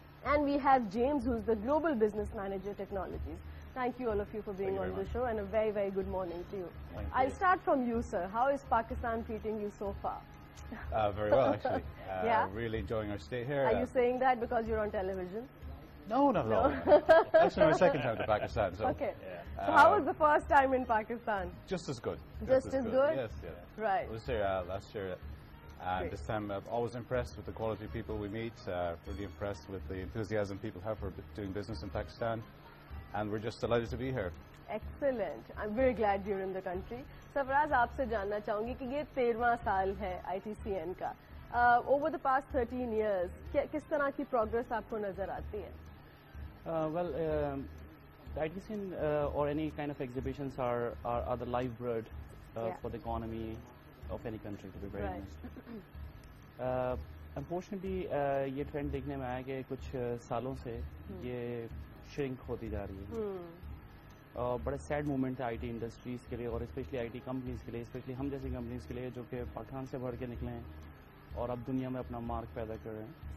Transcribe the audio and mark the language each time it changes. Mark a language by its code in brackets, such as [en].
[en] And we have James who's the global business manager technologies, thank you all of you for being on the show and a very very good morning to you. I will start from you sir, how is Pakistan treating you so far? Very well, actually. Yeah. Really enjoying our stay here. Are you saying that because you're on television? No, not at all. That's my second time to Pakistan. So. Okay. Yeah. So how was the first time in Pakistan? Just as good. Just as good? Yes, yeah. Right. I was here last year. And great. This time I'm always impressed with the quality of people we meet, really impressed with the enthusiasm people have for doing business in Pakistan. And we're just delighted to be here. Excellent. I'm very glad you're in the country. [ur] سرفراز آپ سے جاننا چاہوں گی کہ یہ 13th سال ہے I T C N کا, [en] over the past 13 years [ur] کس طرح کی پروگرس آپ کو نظر آتی ہے؟ [en] Well I T C N اور any kind of exhibitions are the life build for the economy of any country. [ur] Unfortunately یہ ٹرینڈ دیکھنے میں آیا کہ کچھ سالوں سے یہ شرنک ہوتی جا رہی ہے. بڑا سیڈ مومنٹ ہے آئی ٹی انڈسٹریز کے لیے اور اسپیشلی آئی ٹی کمپنیز کے لیے, اسپیشلی ہم جیسی کمپنیز کے لیے جو کہ پاکستان سے بڑھ کے نکلے ہیں اور اب دنیا میں اپنا مارک پیدا کر رہے ہیں.